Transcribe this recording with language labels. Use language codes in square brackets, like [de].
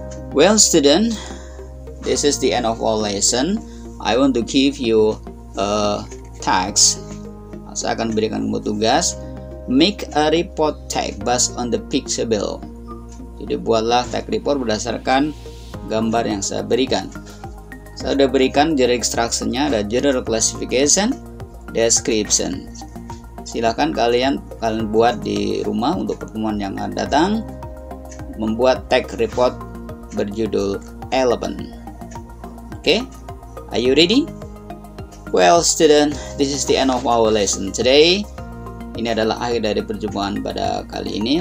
[en] Well, student, this is the end of our lesson. I want to give you a task. [id] Saya akan berikan kamu tugas. [en] Make a report tag based on the picture below. [id] Jadi buatlah tag report berdasarkan gambar yang saya berikan. Saya sudah berikan generic structure-nya, ada general classification, description. Silakan kalian buat di rumah untuk pertemuan yang akan datang, membuat tag report berjudul elephant. [en] Oke, okay? Are you ready? Well, student, this is the end of our lesson today. [id] Ini adalah akhir dari perjumpaan pada kali ini.